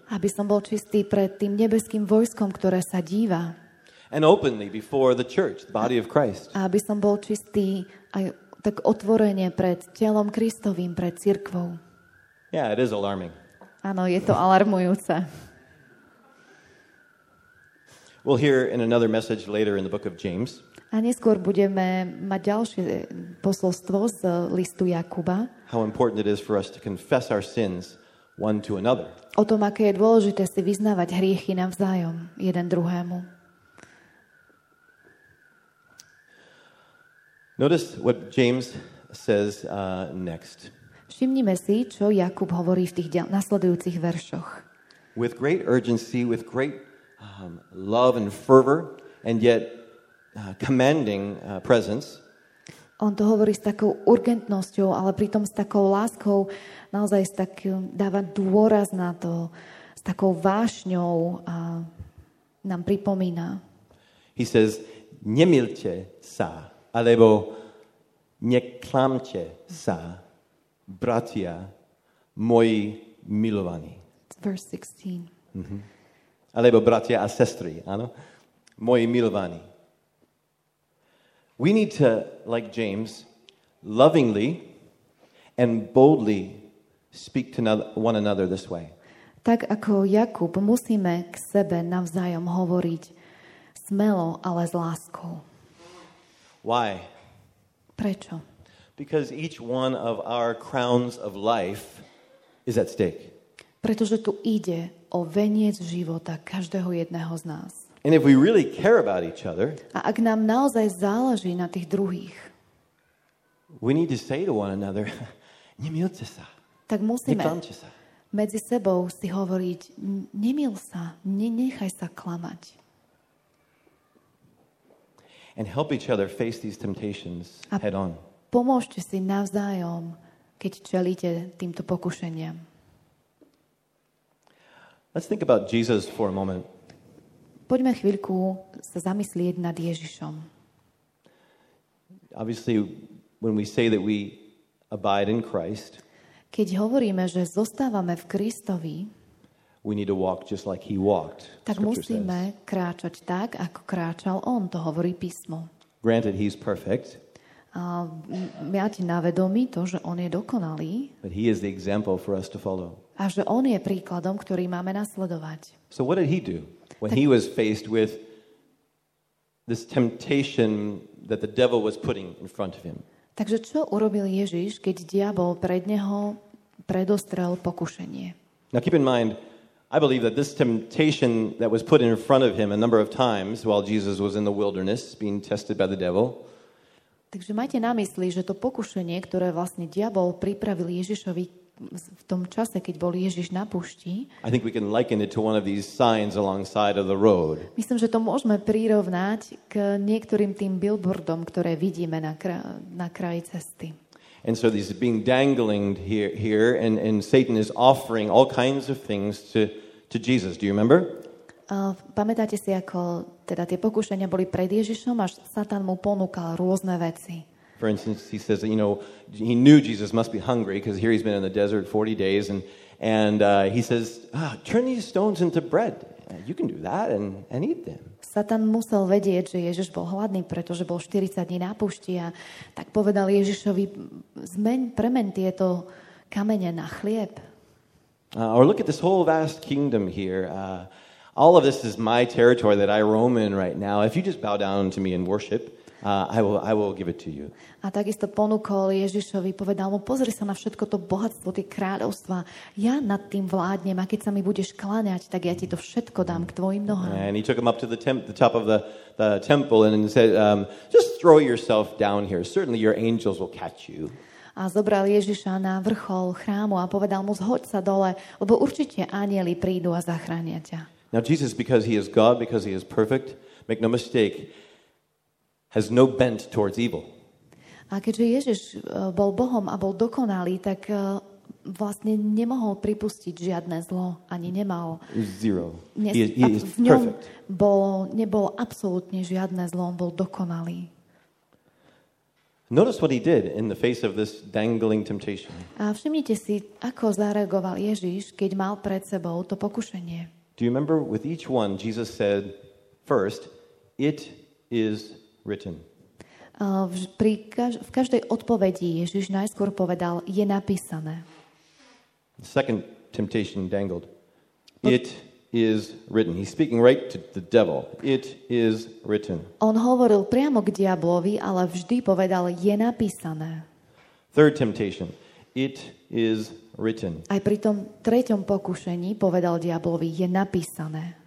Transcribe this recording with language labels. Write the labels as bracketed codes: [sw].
[sk] Aby som bol čistý pred tým nebeským vojskom, ktoré sa díva. [en] And openly before the church, the body of Christ. [sk] Aby som bol čistý aj tak otvorene pred telom Kristovým, pred cirkvou. [en] Yeah, it is alarming. [sk] Áno, je to alarmujúce. [en] We'll hear in another message later in the book of James. [sk] A neskôr budeme mať ďalšie posolstvo z listu Jakuba. [en] How important it is for us to confess our sins one to another. [sk] O tom, aké je dôležité si vyznávať hriechy navzájom jeden druhému. [en] Notice what James says next. [sk] Všimnime si, čo Jakub hovorí v tých nasledujúcich veršoch. [en] With great urgency, with great love and fervor, and yet commanding presence. [sk] On to hovorí s takou urgentnosťou, ale pritom s takou láskou, naozaj s takým dávať dôraz na to, s takou vášňou a nám pripomína. [en] He says, [sk] nemilte sa, alebo neklamte sa, bratia, moji milovaní. [en] Verse 16. [sk] Mm-hmm. Alebo bratia a sestry, áno? Moji milovaní. [en] We need to, like James, lovingly and boldly speak to one another this way. [sk] Tak ako Jakub, musíme k sebe navzájom hovoriť smelo, ale s láskou. [en] Why? [sk] Prečo? [en] Because each one of our crowns of life is at stake. [sk] Pretože tu ide o veniec života každého jedného z nás. [en] And if we really care about each other, [sk] a ak nám naozaj záleží na tých druhých, [en] we need to say to one another, [sk] nemilte sa. Tak musíme medzi sebou si hovoriť, nemil sa, nechaj sa klamať. [en] And help each other face these temptations head on. [sk] Pomôžte si navzájom, keď čelíte týmto pokušeniam. [en] Let's think about Jesus for a moment. [sk] Poďme chvíľku sa zamyslieť nad Ježišom. [en] Obviously, when we say that we abide in Christ, [sk] keď hovoríme, že zostávame v Kristovi, [en] we need to walk just like he walked, [sk] tak musíme kráčať tak, ako kráčal on, to hovorí písmo. [en] Granted, he's perfect. [sk] Máte na vedomí to, že on je dokonalý. [en] But he is the example for us to follow. [sk] A že on je príkladom, ktorý máme nasledovať. [en] So what did he do when he was faced with this temptation that the devil was putting in front of him? [sk] Takže čo urobil Ježiš, keď diabol pred neho predostrel pokušenie? [en] Now keep in mind, I believe that this temptation that was put in front of him a number of times while Jesus was in the wilderness being tested by the devil. [sk] Takže majte na mysli, že to pokušenie, ktoré vlastne diabol pripravil Ježišovi v tom čase, keď bol Ježiš na púšti. [en] I think we can liken it to one of these signs alongside of the road. [sk] Myslím, že to môžeme prirovnať k niektorým tým billboardom, ktoré vidíme na kraji cesty. [en] And so these being dangling here and Satan is offering all kinds of things to Jesus. Do you remember? [sk] Pamätáte si, ako teda tie pokušenia boli pred Ježišom, až Satan mu ponúkal rôzne veci. [en] For instance, he says, you know, he knew Jesus must be hungry because here he's been in the desert 40 days and he says, turn these stones into bread. You can do that and eat them. [sk] Satan musel vedieť, že Ježiš bol hladný, pretože bol 40 dní na púšti a tak povedal Ježišovi, premen tieto kamene na chlieb. [en] Or look at this whole vast kingdom here. All of this is my territory that I roam in right now. If you just bow down to me and worship, I will give it to you. [sk] A takisto ponúkol Ježišovi, povedal mu, pozri sa na všetko to bohatstvo, tie kráľovstva. Ja nad tým vládnem, a keď sa mi budeš kláňať, tak ja ti to všetko dám k tvojim nohám. [en] And he took him up to the top of the temple and said, just throw yourself down here. Certainly your angels will catch you. [sk] A zobral Ježiša na vrchol chrámu a povedal mu, zhoď sa dole, lebo určite anjeli prídu a zachránia ťa. [en] Now Jesus, because he is God, because he is perfect, make no mistake, has no bent towards evil. [sk] A keďže Ježiš bol Bohom a bol dokonalý, tak vlastne nemohol pripustiť žiadne zlo, ani nemal. [en] Zero. He is [sk] v ňom [en] perfect. [sk] Nebol absolútne žiadne zlo, on bol dokonalý. [en] Notice what he did in the face of this dangling temptation. [sk] A všimnite si, ako zareagoval Ježiš, keď mal pred sebou to pokušenie. [en] Do you remember with each one Jesus said first, it is written. [sk] V každej odpovedi Ježiš najskôr povedal, je napísané. [en] The second temptation dangled. It is written. He's speaking right to the devil. It is written. [sk] On hovoril priamo k diablovi, ale vždy povedal, je napísané. [en] Third temptation. It is written. [sk] Aj pri tom treťom pokušení povedal diablovi, je napísané.